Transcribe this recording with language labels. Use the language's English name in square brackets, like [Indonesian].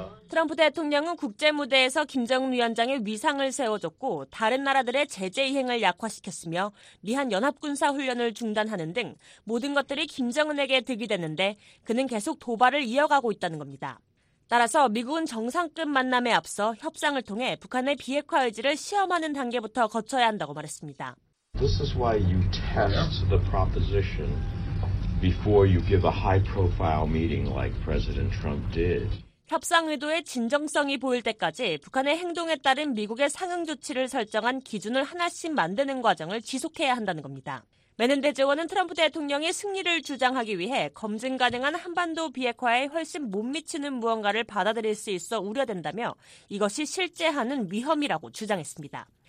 [Korean] 트럼프 대통령은 국제무대에서 김정은 위원장의 위상을 세워줬고 다른 나라들의 제재 이행을 약화시켰으며 미한 연합군사 훈련을 중단하는 등 모든 것들이 김정은에게 득이 됐는데 그는 계속 도발을 이어가고 있다는 겁니다. 따라서 미국은 정상급 만남에 앞서 협상을 통해 북한의 비핵화 의지를 시험하는 단계부터 거쳐야 한다고 말했습니다. [English] This is why you test the proposition before you give a high-profile meeting like President Trump did. [Korean] 협상 의도의 진정성이 보일 때까지 북한의 행동에 따른 미국의 상응 조치를 설정한 기준을 하나씩 만드는 과정을 지속해야 한다는 겁니다. 매넨 대제원은 트럼프 대통령의 승리를 주장하기 위해 검증 가능한 한반도 비핵화에 훨씬 못 미치는 무언가를 받아들일 수 있어 우려된다며 이것이 실제하는 위험이라고 주장했습니다.